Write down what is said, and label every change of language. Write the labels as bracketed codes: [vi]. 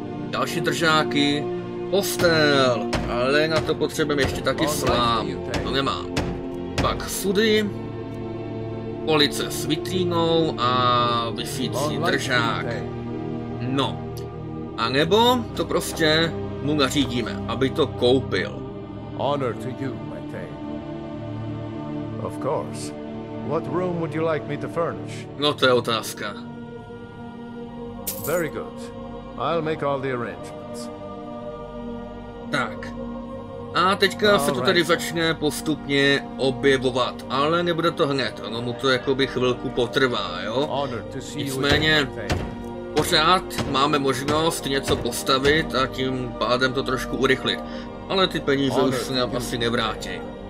[cs] Další držáky, postel, ale na to potřebujeme ještě taky slám. To nemám. Pak sudy, police s vitrínou a vysící držák. No. A nebo to prostě mu nařídíme, aby to koupil. [en] Honor to you, my thane. Of course. What room would you like me to furnish? [cs] No, to je otázka. [en] Very good. I'll make all the arrangements. [cs] Tak. A teďka se to tady začne postupně objevovat, ale nebude to hned, ono mu to jakoby chvilku potrvá, jo? Nicméně, pořád máme možnost něco postavit a tím pádem to trošku urychlit, ale ty peníze už se nám asi nevrátí.